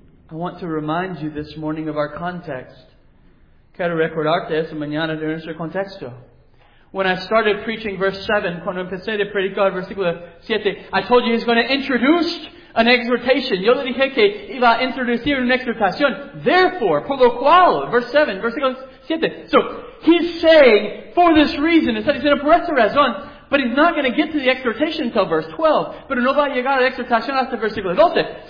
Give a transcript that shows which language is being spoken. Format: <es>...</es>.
<en>I want to remind you this morning of our context.</en> <es>Quiero recordarte esta mañana de nuestro contexto.</es> <en>When I started preaching verse 7,</en> <es>cuando empecé a predicar versículo 7,</es> <en>I told you He's going to introduce an exhortation.</en> <es>Yo le dije que iba a introducir una exhortación.</es> <en>Therefore,</en> <es>por lo cual,</es> <en>verse 7,</en> <es>versículo 7.</es> <en>So, He's saying, for this reason,</en> <es>está diciendo por esta razón,</es> <en>but He's not going to get to the exhortation until verse 12.</en> <es>Pero no va a llegar a la exhortación hasta versículo 12.</es>